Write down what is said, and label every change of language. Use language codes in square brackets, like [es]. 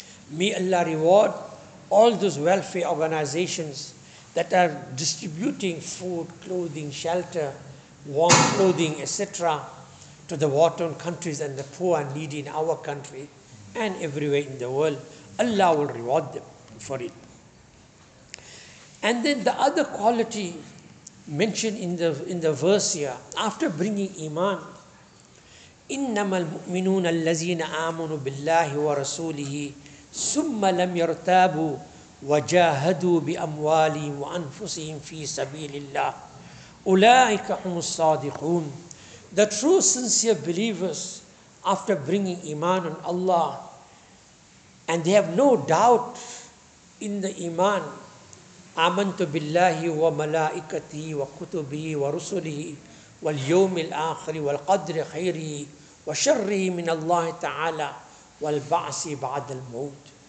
[en] May Allah reward all those welfare organizations that are distributing food, clothing, shelter, warm clothing, etc. to the war-torn countries and the poor and needy in our country and everywhere in the world. Allah will reward them for it. And then the other quality mentioned in the verse here, after bringing Iman, [ar] إِنَّمَا الْمُؤْمِنُونَ الَّذِينَ آمَنُوا بِاللَّهِ وَرَسُولِهِ ثُمَّ لَمْ يَرْتَابُوا وَجَاهَدُوا بِأَمْوَالِهِمْ وَأَنفُسِهِمْ فِي سَبِيلِ اللَّهِ أُولَٰئِكَ هُمُ الصَّادِقُونَ. [en] The true sincere believers, after bringing Iman on Allah, and they have no doubt in the Iman, [ar] آمَنْتُ بِاللَّهِ وَمَلَائِكَتِهِ وَكُتُبِهِ وَرُسُلِهِ واليوم الآخر والقدر خيره وشره من الله تعالى والبعث بعد الموت.